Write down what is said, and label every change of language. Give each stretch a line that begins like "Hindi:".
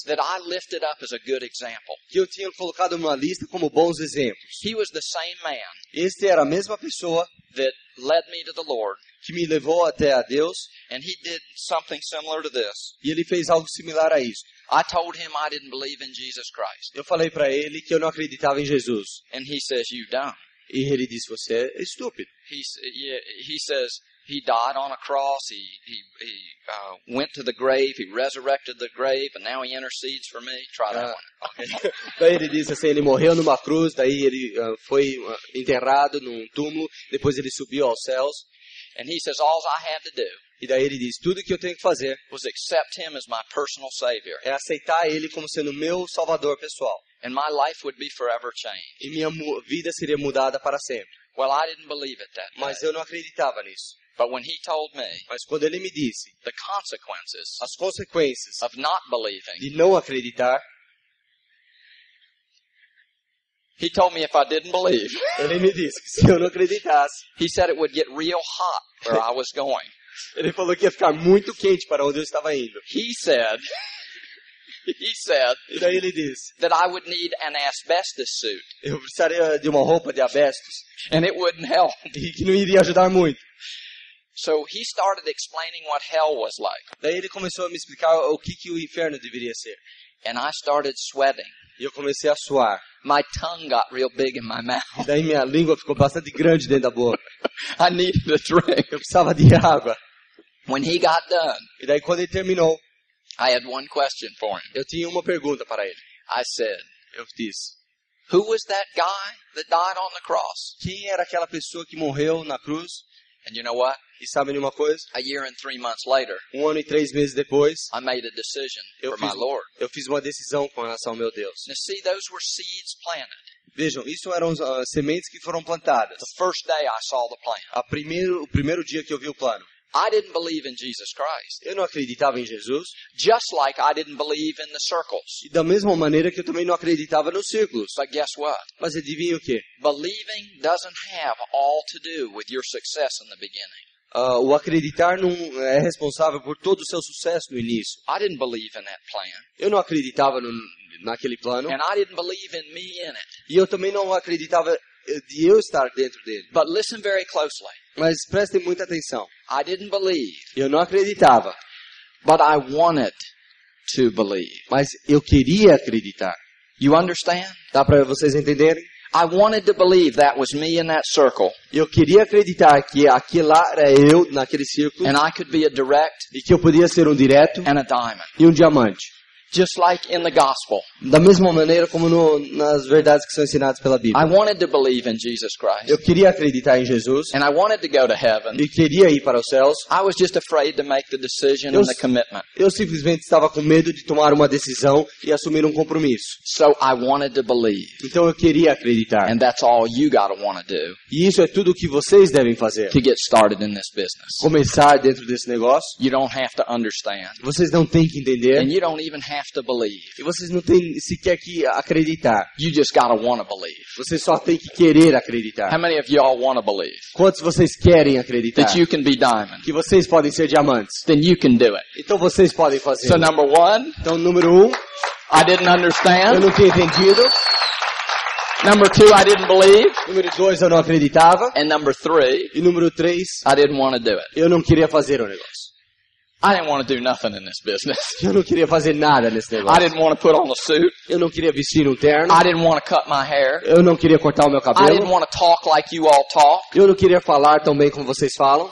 English: that I lifted up as a good example.
Portuguese: Que eu tinha colocado numa lista como bons exemplos.
English: He was the same man.
Portuguese: Este era a mesma pessoa
English: that led me to the Lord.
Portuguese: Que me levou até a Deus.
English: And he did something similar to this.
Portuguese: E ele fez algo similar a isso.
English: I told him I didn't believe in Jesus Christ.
Portuguese: Eu falei para ele que eu não acreditava em Jesus.
English: And he says, "You dumb."
Portuguese: E ele disse, você é estúpido.
English: He says, he died on a cross, he went to the grave, he resurrected the grave, and now he intercedes for me. Try that one. Okay.
Portuguese: Ele disse assim, ele morreu numa cruz, daí ele foi enterrado num túmulo, depois ele subiu aos céus.
English: And he says, all I had to do.
Portuguese: E daí ele diz, tudo que eu tenho que fazer
English: was accept him as my personal savior.
Portuguese: É aceitar ele como sendo meu salvador pessoal.
English: And my life would be forever changed.
Portuguese: E minha vida seria mudada para sempre.
English: Well, I didn't believe it that
Portuguese: Mas
English: day.
Portuguese: Eu não acreditava nisso.
English: But when he told me,
Portuguese: Mas quando ele me disse,
English: the consequences
Portuguese: as consequências
English: of not believing,
Portuguese: de não acreditar,
English: he told me if I didn't believe,
Portuguese: ele me disse, se eu não acreditasse,
English: he said it would get real hot where I was going.
Portuguese: Ele falou que ia ficar muito quente para onde eu estava indo.
English: He said
Portuguese: e daí ele disse,
English: that I would need an asbestos suit.
Portuguese: Eu precisaria de uma roupa de asbestos.
English: And it wouldn't help.
Portuguese: E que não iria ajudar muito.
English: So he started explaining what hell was like.
Portuguese: Daí ele começou a me explicar o que o inferno deveria ser.
English: And I started sweating.
Portuguese: E eu comecei a suar.
English: My tongue got real big in my mouth.
Portuguese: E daí minha língua ficou bastante grande dentro da boca.
English: I needed a drink.
Portuguese: Eu precisava de água.
English: When he got done,
Portuguese: e daí quando ele terminou,
English: I had one question for him.
Portuguese: Eu tinha uma pergunta para ele.
English: I said,
Portuguese: eu disse,
English: who was that guy that died on the cross?
Portuguese: Quem era aquela pessoa que morreu na cruz?
English: And you know what?
Portuguese: E sabe uma coisa?
English: A year and 3 months later,
Portuguese: 1 ano e 3 meses depois,
English: I made a decision for my Lord.
Portuguese: Eu fiz uma decisão com relação ao meu Deus.
English: Now see, those were seeds planted.
Portuguese: Vejam, isso eram sementes que foram plantadas.
English: The first day I saw the plan.
Portuguese: O primeiro dia que eu vi o plano.
English: I didn't believe in Jesus Christ.
Portuguese: Eu não acreditava em Jesus.
English: Just like I didn't believe in the circles.
Portuguese: E da mesma maneira que eu também não acreditava nos círculos.
English: But guess what?
Portuguese: Mas adivinha o quê?
English: Believing doesn't have all to do with your success in the beginning.
Portuguese: O acreditar não é responsável por todo o seu sucesso no início.
English: I didn't believe in that plan.
Portuguese: Eu não acreditava naquele plano.
English: And I didn't believe in me in it.
Portuguese: E eu também não acreditava de eu estar dentro dele.
English: But listen very closely.
Portuguese: Mas prestem muita atenção.
English: I didn't believe.
Portuguese: Eu não acreditava.
English: But I wanted to believe.
Portuguese: Mas eu queria acreditar.
English: You understand?
Portuguese: Dá para vocês entenderem?
English: I wanted to believe that was me in that circle.
Portuguese: Eu queria acreditar que aquilo lá era eu naquele círculo.
English: And I could be a direct.
Portuguese: E que eu podia ser um direto.
English: And a diamond.
Portuguese: E um diamante.
English: Just like in the gospel.
Portuguese: Da mesma maneira como nas verdades que são ensinadas pela Bíblia.
English: I wanted to believe in Jesus Christ.
Portuguese: Eu queria acreditar em Jesus.
English: And I wanted to go to heaven.
Portuguese: E queria ir para os céus.
English: I was just afraid to make the decision and the commitment.
Portuguese: Eu simplesmente estava com medo de tomar uma decisão e assumir um compromisso.
English: So I wanted to believe.
Portuguese: Então eu queria acreditar.
English: And that's all you gotta wanna do.
Portuguese: E isso é tudo o que vocês devem fazer.
English: To get started in this business.
Portuguese: Começar dentro desse negócio.
English: You don't have to understand.
Portuguese: Vocês não têm que entender.
English: And you don't even have to believe.
Portuguese: E vocês não têm sequer que acreditar.
English: You just gotta wanna believe.
Portuguese: Você só tem que querer acreditar.
English: How many of you all wanna believe?
Portuguese: Quantos vocês querem acreditar?
English: That you can be diamond.
Portuguese: Que vocês podem ser diamantes.
English: Then you can do it.
Portuguese: Então vocês podem fazer.
English: So number one.
Portuguese: Então número um.
English: I didn't understand.
Portuguese: Eu não tinha entendido.
English: Number two, I didn't believe.
Portuguese: Número dois, eu não acreditava.
English: And number three.
Portuguese: E número três.
English: I didn't wanna do it.
Portuguese: Eu não queria fazer o negócio.
English: I didn't want to do nothing in this business.
Portuguese: Eu não queria fazer nada nesse negócio.
English: I didn't want to put on a suit.
Portuguese: Eu não queria vestir terno.
English: I didn't want to cut my hair.
Portuguese: Eu não queria cortar o meu cabelo.
English: I didn't want to talk like you all talk.
Portuguese: Eu não queria falar tão bem como vocês falam.